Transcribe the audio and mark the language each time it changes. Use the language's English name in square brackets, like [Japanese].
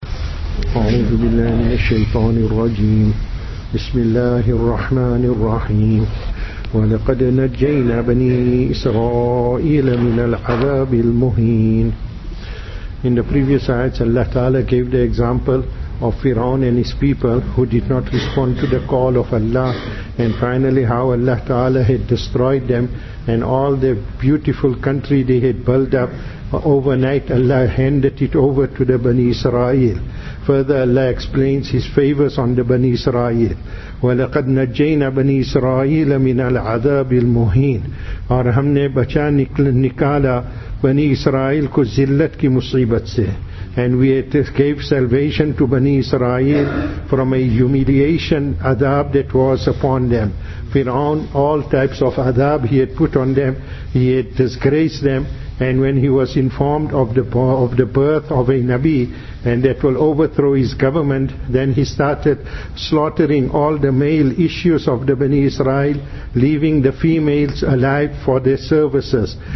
[Arabic] أعوذ بالله من الشيطان الرجيم. بسم الله الرحمن الرحيم. ولقد نجينا بني إسرائيل من العذاب المهين. [English] In the previous ayats, Allah Ta'ala gave the example of Fir'aun and his people who did not respond to the call of Allah, and finally how Allah Ta'ala had destroyed them and all the beautiful country they had built up. Overnight Allah handed it over to the Bani Israel. Further Allah explains His favors on the Bani Israel. [Arabic] وَلَقَدْ نَجَّيْنَا بَنِي إِسْرَائِيلَ مِنَ الْعَذَابِ الْمُهِينَ. [Urdu] اور ہم نے بچا نکالا بنی اسرائیل کو ذلت کی مصیبت سے. [English] And we gave salvation to Bani Israel from a humiliation adab that was upon them. Fir'aun, all types of adab he had put on them, he had disgraced them. And when he was informed of the birth of a Nabi and that will overthrow his government, then he started slaughtering all the male issues of the Bani Israel, leaving the females alive for their services.